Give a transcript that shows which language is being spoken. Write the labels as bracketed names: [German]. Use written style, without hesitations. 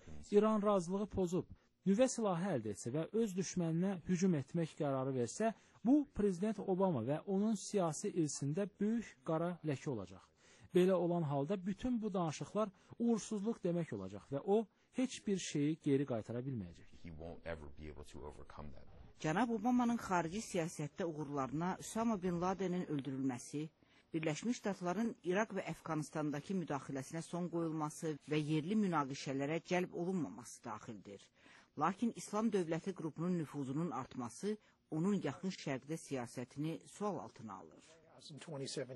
[Azerbaijani] İran razılığı pozub, nüvə silahı əldə etsə və öz düşməninə hücum etmək qərarı versə, bu, prezident Obama və onun siyasi irsində böyük qara ləkə olacaq. Belə olan halda bütün bu danışıqlar uğursuzluq demək olacaq və o, heç bir şeyi geri qaytara bilməyəcək. [English] He won't ever be able to overcome that. [Azerbaijani] Cənab Obamanın xarici siyasətdə uğurlarına Usama bin Ladenin öldürülməsi, Birləşmiş Ştatların İraq və Əfqanistandakı müdaxiləsinə son qoyulması və yerli münaqişələrə cəlb olunmaması daxildir. Lakin İslam dövləti qrupunun nüfuzunun artması onun yaxın şərqdə siyasətini sual altına alır.